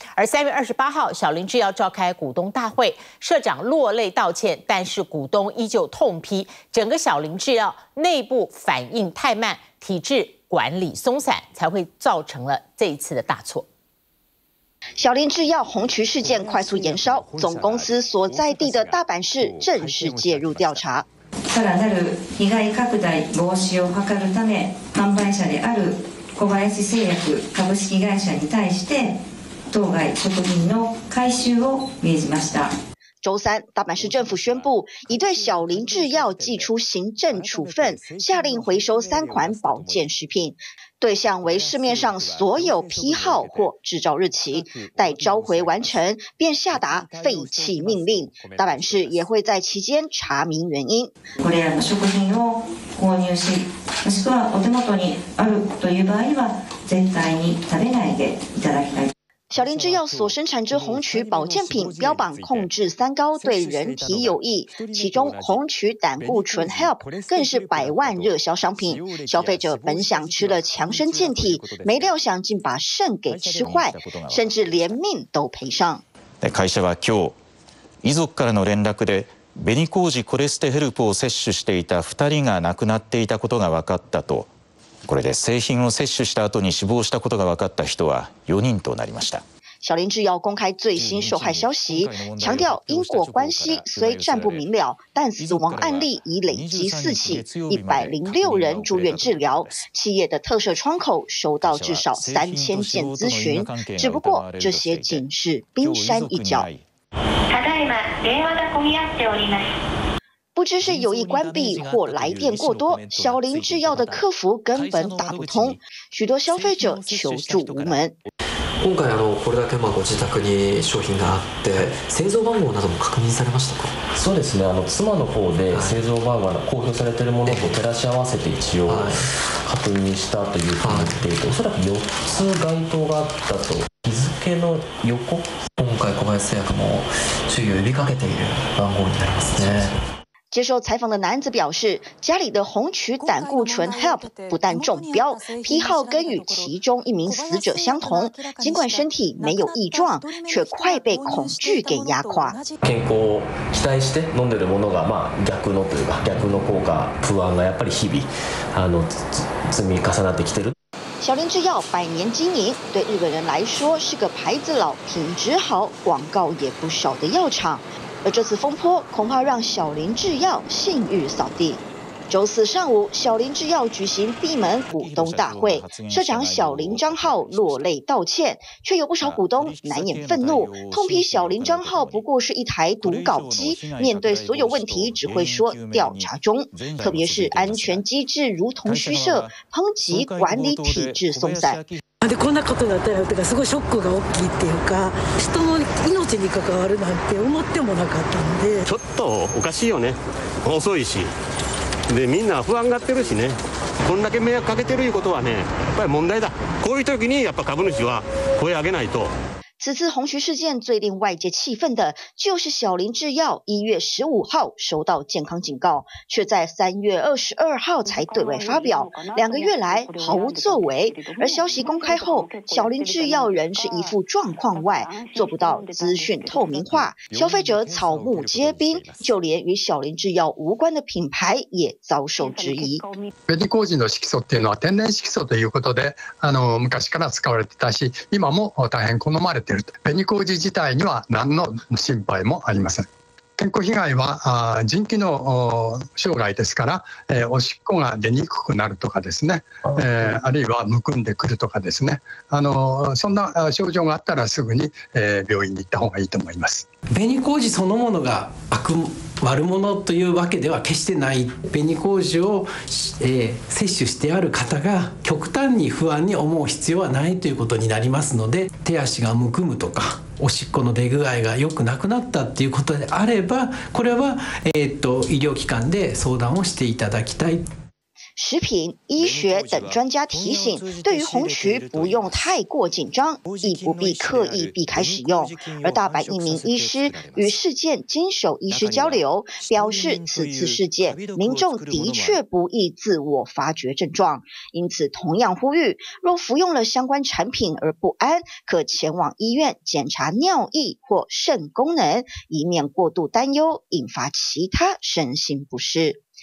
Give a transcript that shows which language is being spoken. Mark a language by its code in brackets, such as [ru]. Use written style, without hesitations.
[zh] 而3月28号，小林制药召开股东大会，社长落泪道歉，但是股东依旧痛批整个小林制药内部反应太慢，体制管理松散，才会造成了这一次的大错。小林制药红曲事件快速延烧，总公司所在地的大阪市正式介入调查。 [ja] さらなる被害拡大防止を図るため、販売者である小林製薬株式会社に対して当該食品の回収を命じました。 [zh] 周三，大阪市政府宣布已对小林制药寄出行政处分，下令回收3款保健食品，对象为市面上所有批号或制造日期，待召回完成便下达废弃命令。大阪市也会在期间查明原因。 [ja] これらの食品を購入し、もしくはお手元にあるという場合は絶対に食べないでいただきたい。 [zh] 小林制药所生产之红曲保健品标榜控制三高，对人体有益，其中红曲胆固醇 HELP 更是百万热销商品。消费者本想吃了强身健体，没料想竟把肾给吃坏，甚至连命都赔上。 [ja] 会社は今日、遺族からの連絡でベニコージコレステヘルプを摂取していた2人が亡くなっていたことが分かったと。これで製品を摂取した後に死亡したことが分かった人は4人となりました。 [zh] 小林制药公开最新受害消息，强调因果关系虽暂不明了，但死亡案例已累积4起，106人住院治疗。企业的特赦窗口收到至少3000件咨询，只不过这些仅是冰山一角。 [ja] ただいま電話が混み合っております。 [zh] 不知是有意关闭或来电过多，小林制药的客服根本打不通，许多消费者求助无门。 [ja] 今回これだけご自宅に商品があって、製造番号なども確認されましたか？そうですね、妻の方で製造番号が公表されているものと照らし合わせて一応確認したというふうに言っていて、おそらく4つ該当があったと。日付の横、今回小林製薬も注意を呼びかけている番号になりますね。 [zh] 接受采访的男子表示，家里的红曲胆固醇 HELP 不但中标，批号跟与其中一名死者相同，尽管身体没有异状，却快被恐惧给压垮。 [ja] 健康を期待して飲んでるものが、逆の効果、不安がやっぱり日々積み重なってきてる。 [zh] 小林制药百年经营，对日本人来说是个牌子老、品质好、广告也不少的药厂。而这次风波恐怕让小林制药信誉扫地。周四上午，小林制药举行闭门股东大会，社长小林章浩落泪道歉，却有不少股东难掩愤怒，痛批小林章浩不过是一台读稿机，面对所有问题只会说调查中，特别是安全机制如同虚设，抨击管理体制松散。 [ja] こんなことだったら、とかすごいショックが大きいっていうか、人の命に関わるなんて思ってもなかったんで。ちょっとおかしいよね、遅いし、でみんな不安がってるしね、こんだけ迷惑かけてるいうことはね、やっぱり問題だ。こういう時にやっぱ株主は声上げないと。 [zh] 此次红徐事件最令外界气愤的就是小林制药1月15号收到健康警告，却在3月22号才对外发表，两个月来毫无作为。而消息公开后，小林制药人是一副状况外，做不到资讯透明化，消费者草木皆兵，就连与小林制药无关的品牌也遭受质疑。 [ja] ベニコージの色素っていうのは天然色素ということで、昔から使われてたし、今も大変好まれ。紅麹自体には何の心配もありません。健康被害は腎機能障害ですから、おしっこが出にくくなるとかですね、あるいはむくんでくるとかですね、そんな症状があったらすぐに病院に行った方がいいと思います。紅麹そのものが悪者というわけでは決してない。紅麹を、摂取してある方が極端に不安に思う必要はないということになりますので、手足がむくむとかおしっこの出具合が良くなくなったっていうことであれば、これは、医療機関で相談をしていただきたい。 [zh] 食品、医学等专家提醒，对于红曲不用太过紧张，亦不必刻意避开使用。而大阪一名医师与事件经手医师交流，表示此次事件民众的确不易自我发觉症状，因此同样呼吁，若服用了相关产品而不安，可前往医院检查尿液或肾功能，以免过度担忧引发其他身心不适。